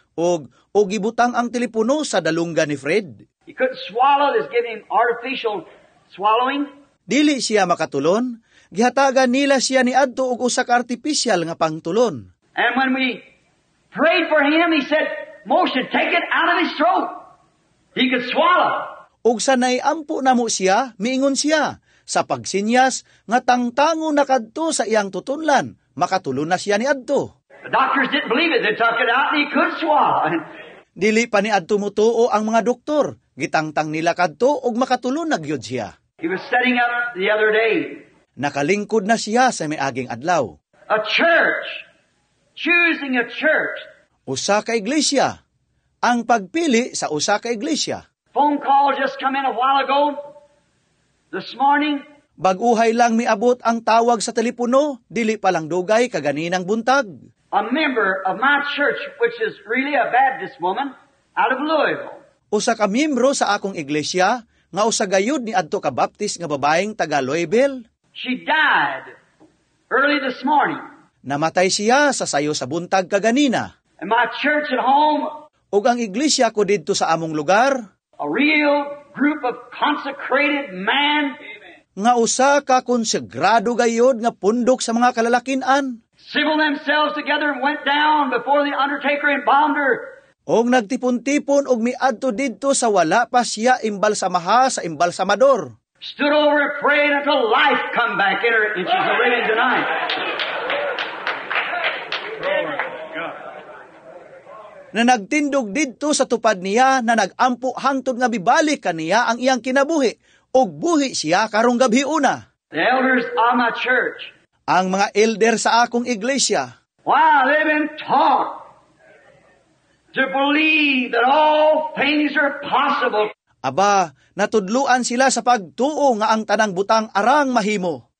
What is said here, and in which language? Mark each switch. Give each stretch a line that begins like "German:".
Cebuano: Og gibutang ang telepono sa dalunga ni Fred.
English: He couldn't swallow, this giving him artificial swallowing.
Cebuano: Dili siya makatulon. Gihatagan nila siya ni adto og usa ka artificial nga pangtulon.
English: And when we prayed for him, he said, "Motion, take it out of his throat. He could swallow."
Cebuano: Og sa naiampo na mo siya, miingon siya sa pagsinyas nga tangtango nakadto sa iyang tutunlan, makatulon na siya ni adto.
English: The doctors didn't believe it. They took it out and he could swallow.
Cebuano: Dili pa ni adto mutuo ang mga doktor. Gitangtang nila kadto og makatulon na gyud siya.
English: He was setting up the other day.
Cebuano: Nakalingkod na siya sa miaging adlaw.
English: A church. Choosing a church.
Cebuano: Usa ka iglesia. Ang pagpili sa usa ka iglesia.
English: Phone call just come in a while ago. This morning.
Cebuano: Baguhay lang miabot ang tawag sa telepono. Dili pa lang dugay kaganinang buntag.
English: A member of my church, which is really a Baptist woman, out of Louisville.
Cebuano: Usa ka miyembro sa akong iglesia, nga usa gayud ni adto ka Baptist nga babaeng taga Louisville.
English: She died early this morning.
Cebuano: Namatay siya sa sayo sa buntag kaganina.
English: And my church at home.
Cebuano: Ug ang iglesia ko dito sa among lugar.
English: A real group of consecrated men.
Cebuano: Nga usa ka konsegrado gayud nga pundok sa mga kalalakinan.
English: Civil themselves together and went down before the undertaker embalmed her.
Cebuano: Og nagtipon-tipon og miadto didto sa wala pa siya imbalsamaha sa imbalsamador.
English: Stood over and prayed until life come back in her and she's living tonight.
Cebuano: Na nagtindog didto sa tupad niya na nagampo hangtod nga bibalik kaniya ang iyang kinabuhi og buhi siya karong gabi una.
English: The elders of my church.
Cebuano: Ang mga elder sa akong iglesia.
English: Wow, they've been taught to believe that all things are possible.
Cebuano: Aba, natudluan sila sa pagtuo nga ang tanang butang arang mahimo.